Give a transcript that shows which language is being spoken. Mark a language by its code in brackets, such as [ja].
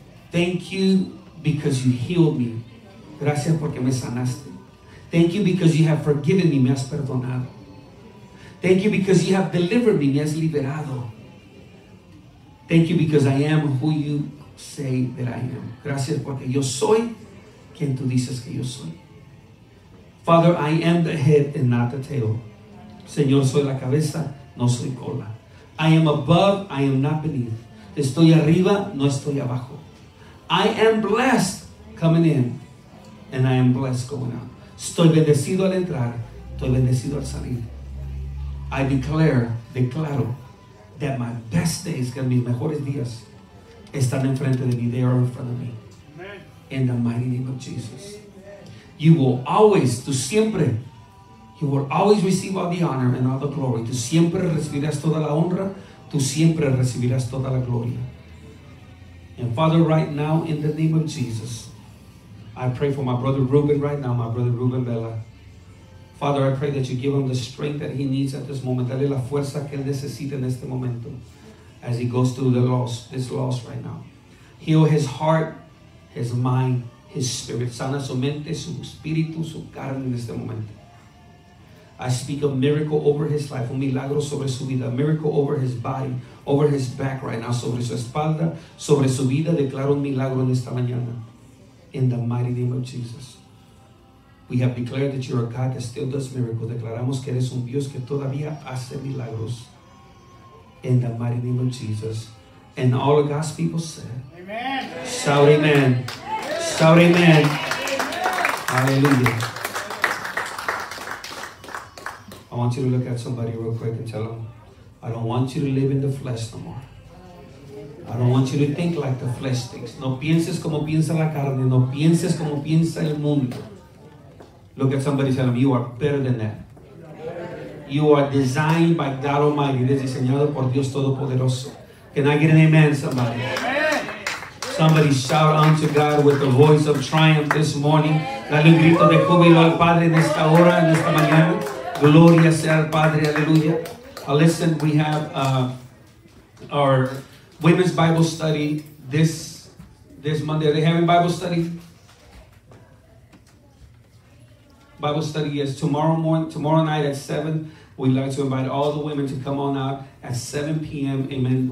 [en] Thank you because you healed me. [es] Gracias porque me sanaste. [en] Thank you because you have forgiven me. [es] Me has perdonado. [en] Thank you because you have delivered me. [es] Me has liberado. [en] Thank you because I am who you say that I am. [es] Gracias porque yo soy quien tú dices que yo soy. [en] Father, I am the head and not the tail. [es] Señor, soy la cabeza, no soy cola. [en] I am above, I am not beneath. [es] Estoy arriba, no estoy abajo. [en] I am blessed coming in, and I am blessed going out. [es] Estoy bendecido al entrar, estoy bendecido al salir. [en] I declaro, that my best days, [es] que mis mejores días, están enfrente de mí, [en] they are in front of me. Amen. In the mighty name of Jesus. Amen. You will always, [es] tú siempre, [en] you will always receive all the honor and all the glory. [es] Tú siempre recibirás toda la honra, tú siempre recibirás toda la gloria. [en] And Father, right now, in the name of Jesus, I pray for my brother Ruben right now, my brother Ruben Vela. Father, I pray that you give him the strength that he needs at this moment. [es] Dale la fuerza que él necesita en este momento. [en] as he goes through the loss, this loss right now. Heal his heart, his mind, his spirit. [es] Sana su mente, su espíritu, su carne en este momento. [en] I speak a miracle over his life, [es] un milagro sobre su vida, [en] a miracle over his body, over his back right now, [es] sobre su espalda, sobre su vida, declaro un milagro en esta mañana. [en] In the mighty name of Jesus. We have declared that you're a God that still does miracles. [es] Declaramos que eres un Dios que todavía hace milagros. [en] In the mighty name of Jesus. And all of God's people said, amen. Shout amen. Amen. Shout amen. Amen. Hallelujah. I want you to look at somebody real quick and tell them, I don't want you to live in the flesh no more. I don't want you to think like the flesh thinks. [es] No pienses como piensa la carne. No pienses como piensa el mundo. [en] Look at somebody and tell them, you are better than that. You are designed by God Almighty. [es] Eres diseñado por Dios Todopoderoso. [en] Can I get an amen, somebody? Somebody shout unto God with the voice of triumph this morning. [es] Dale un grito de júbilo al Padre en esta hora, en esta mañana. Gloria sea al Padre, aleluya. [en] Listen, we have our women's Bible study this Monday. Are they having Bible study? Bible study is tomorrow morning, tomorrow night at 7. We'd like to invite all the women to come on out at 7 p.m. Amen.